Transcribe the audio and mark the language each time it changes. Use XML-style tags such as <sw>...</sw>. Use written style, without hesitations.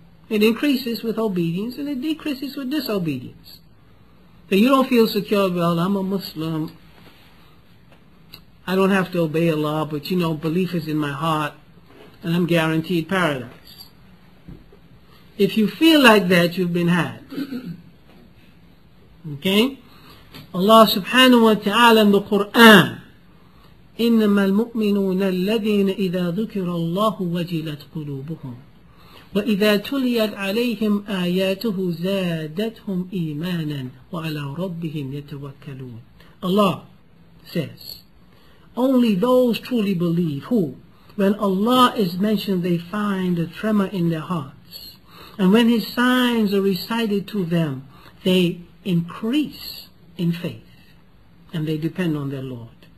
<en>It increases with obedience and it decreases with disobedience. So you don't feel secure, well, I'm a Muslim, I don't have to obey Allah, but you know, belief is in my heart and I'm guaranteed paradise. If you feel like that, you've been had. Okay? Allah subhanahu wa ta'ala in the Quran,</en> <ar>إِنَّمَا الْمُؤْمِنُونَ الَّذِينَ إِذَا ذُكِرَ اللَّهُ وَجِلَتْ قُلُوبُهُمْ وَإِذَا تُلِيَتْ عَلَيْهِمْ آيَاتُهُ زَادَتْهُمْ إِيمَانًا وَعَلَىٰ رَبِّهِمْ يَتَوَكَّلُونَ.</ar> <en>Allah says, only those truly believe who, when Allah is mentioned, they find a tremor in their hearts. And when His signs are recited to them, they increase in faith and they depend on their Lord.</en>